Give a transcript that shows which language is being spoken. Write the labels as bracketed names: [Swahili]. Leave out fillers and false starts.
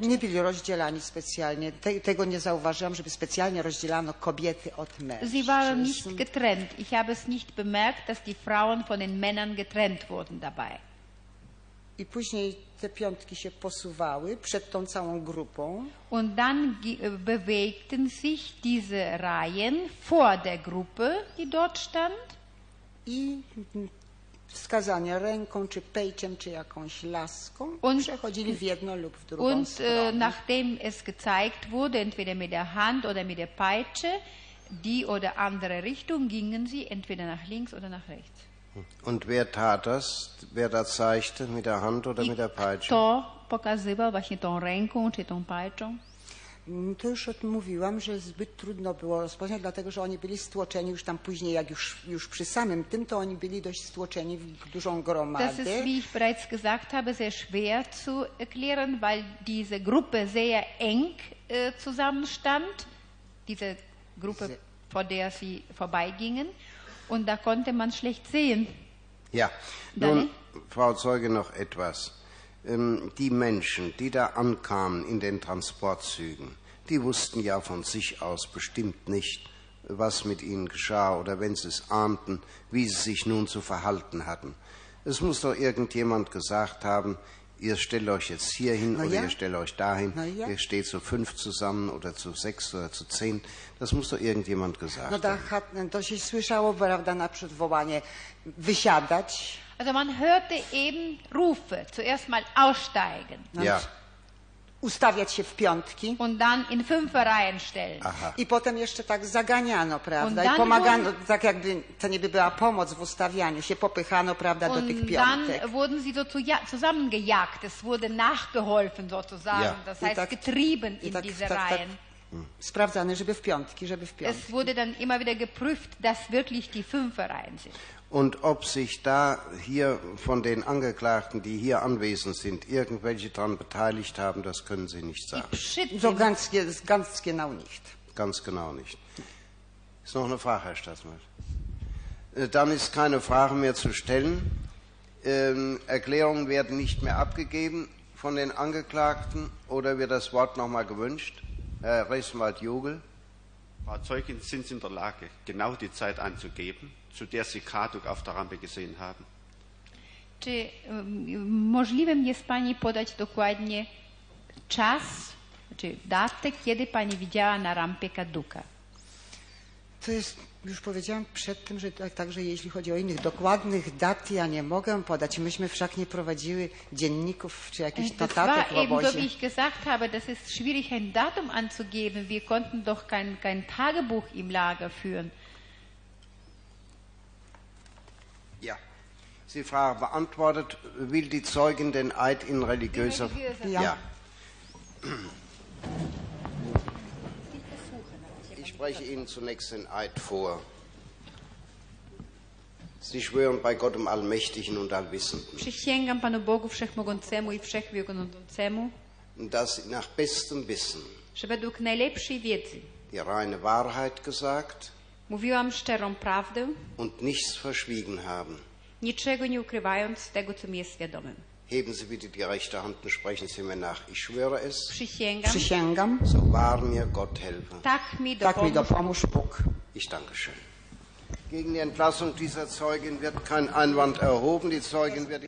[Polish] Nie byli rozdzielani specjalnie. Tego nie zauważyłam, żeby specjalnie rozdzielano kobiety od mężczyzn. [German] Sie waren nicht getrennt. Ich habe es nicht bemerkt, dass die Frauen von den Männern getrennt wurden dabei. [Polish] I później te piątki się posuwały przed tą całą grupą. [German] Und dann bewegten sich diese Reihen vor der Gruppe, die dort stand. [Polish] I wskazanie ręką, czy pejciem, czy jakąś laską, [German] und, [Polish] przechodzili w jedną lub w drugą [German] und, [Polish] stronę. [German] Nachdem es gezeigt wurde, entweder mit der Hand oder mit der Peitsche, die oder andere Richtung, gingen sie entweder nach links oder nach rechts. Und wer tat das? Wer da zeigte, mit der Hand oder mit der Peitsche? [Polish] Kto pokazywał właśnie tą ręką, czy tą peitschą? To już mówiłam, że zbyt trudno było rozpoznać, dlatego że oni byli stłoczeni już tam później, jak już przy samym tym, to oni byli dość stłoczeni w dużą gromadę. [German] Das ist, wie ich bereits gesagt habe, sehr schwer zu erklären, weil diese Gruppe sehr eng zusammenstand, diese Gruppe, vor der sie vorbeigingen, und da konnte man schlecht sehen. Ja, nun, Frau Zeuge, noch etwas. Die Menschen, die da ankamen in den Transportzügen, die wussten ja von sich aus bestimmt nicht, was mit ihnen geschah oder wenn sie es ahnten, wie sie sich nun zu verhalten hatten. Es muss doch irgendjemand gesagt haben, ihr stellt euch jetzt hier hin oder ihr stellt euch dahin, ihr steht zu fünf zusammen oder zu sechs oder zu zehn. Das muss doch irgendjemand gesagt haben. [Polish] To się słyszało, prawda, naprzód wołanie, wysiadać. [German] Also man hörte eben Rufe, zuerst mal aussteigen. Ja. [Polish] Ustawiać się w piątki. [German] Und dann in Fünferreihen stellen. Aha. [Polish] I potem jeszcze tak zaganiano, prawda, i pomagano, tak jakby to niby była pomoc w ustawianiu, się popychano, prawda, do tych piątek. [German] Und dann wurden sie so zusammengejagt, es wurde nachgeholfen sozusagen, ja. Das heißt getrieben in [Polish] tak, [German] diese Reihen. [Polish] Sprawdzane, żeby w piątki, żeby w piątki. [German] Es wurde dann immer wieder geprüft, dass wirklich die Fünferreihen sind. Und ob sich da hier von den Angeklagten, die hier anwesend sind, irgendwelche daran beteiligt haben, das können Sie nicht sagen. So ganz, ganz genau nicht. Ganz genau nicht. Ist noch eine Frage, Herr Staatsanwalt? Dann ist keine Frage mehr zu stellen. Erklärungen werden nicht mehr abgegeben von den Angeklagten oder wird das Wort noch mal gewünscht? Herr Rechtsanwalt Jogel. Frau Zeugin, sind Sie in der Lage, genau die Zeit anzugeben, zu der Sie Kaduk auf der Rampe gesehen haben? [Polish] Czy możliwym jest Pani podać dokładnie czas, czy datę, kiedy Pani widziała na rampie Kaduka? To jest, już powiedziałam przed tym, że także jeśli chodzi o innych dokładnych dat, ja nie mogę podać. Myśmy wszak nie prowadziły dzienników czy jakichś notatek w obozie. [German] Das war eben, so wie ich gesagt habe, das ist schwierig, ein Datum anzugeben. Wir konnten doch kein Tagebuch im Lager führen. Ja, Sie Frage beantwortet, will die Zeugin den Eid in religiöser Form? Ja. Ich spreche Ihnen zunächst den Eid vor. Sie schwören bei Gott, dem Allmächtigen und Allwissenden. [Polish] Przysięgam Panu Bogu Wszechmogącemu i Wszechwiegnącemu, [German] dass nach bestem Wissen, [Polish] że według najlepszej wiedzy, [German] die reine Wahrheit gesagt, [Polish] mówiłam szczerą prawdę, [German] und nichts verschwiegen haben, [Polish] niczego nie ukrywając tego, co mi jest wiadomym. [German] Heben Sie bitte die rechte Hand und sprechen Sie mir nach. Ich schwöre es. [Polish] Przysięgam. [German] So wahr mir Gott helfe. [Polish] Tak mi dopomóż Bóg. [German] Ich danke schön. Gegen die Entlassung dieser Zeugin wird kein Einwand erhoben. Die Zeugin wird...